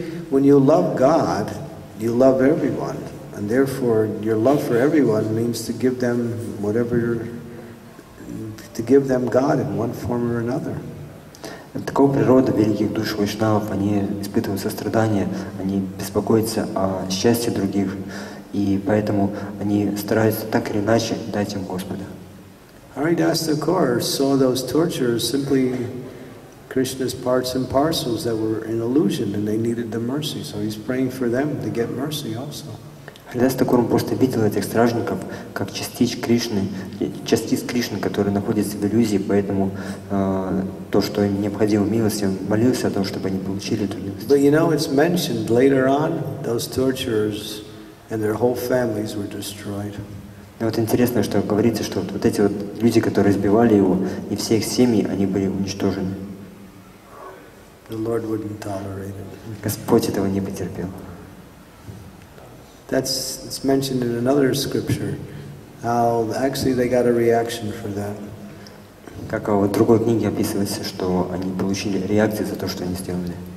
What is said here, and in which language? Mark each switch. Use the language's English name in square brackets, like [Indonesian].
[English] When you love God, you love everyone, and therefore your love for everyone means to give them whatever, to give them God in one form or another. [Russian] Такова природа великих душ вайшнавов. Они испытывают сострадание, они беспокоятся о счастье других, и поэтому они стараются так или иначе дать им Господа. [English] Haridas Thakur saw those tortures simply Krishna's parts and parcels that were an illusion and they needed the mercy. So he's praying for them to get mercy also. [Russian] Haridas Thakur просто видел этих стражников как частиц Кришны, частиц Кришны, которые находятся в иллюзии, поэтому то, что им необходимо милости, он молился о том, чтобы они получили эту милость. [English] But you know, it's mentioned later on, those torturers and their whole families were destroyed. [Russian] И вот интересно, что говорится, что вот эти вот люди, которые избивали его, и все их семьи, они были уничтожены. [English] The Lord wouldn't tolerate it. [Russian] Господь этого не потерпел. [English] It's mentioned in another scripture, how actually they got a reaction for that. [Russian] Как в другой книге описывается, что они получили реакцию за то, что они сделали.